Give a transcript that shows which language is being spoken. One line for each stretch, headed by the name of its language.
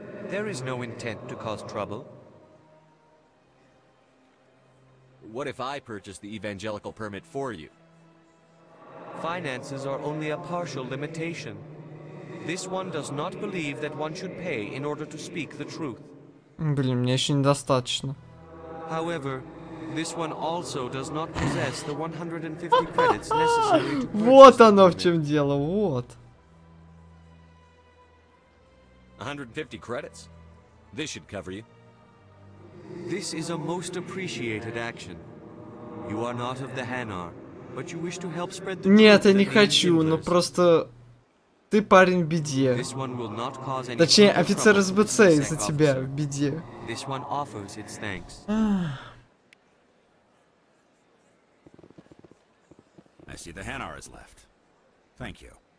English: There is no intent to cause trouble. What if I purchase the evangelical permit for you? Finances are only a partial limitation. This one does not believe that one should pay in order to speak the truth.
Russian: Блин, мне еще недостаточно.
English: However, this one also does not possess the 150 credits necessary to purchase.
Russian: Вот оно в чем дело, вот.
English: 150 credits? This should cover you. This is a most appreciated action. You are not of the Hanar, but you wish to help spread the truth.
Russian: Нет, я не хочу, но просто ты парень в беде.
English: This one will not cause any.
Russian: Точнее, офицер СБЦ из-за тебя в беде.
English: This one offers its thanks. I see the Hanar is left. Thank you.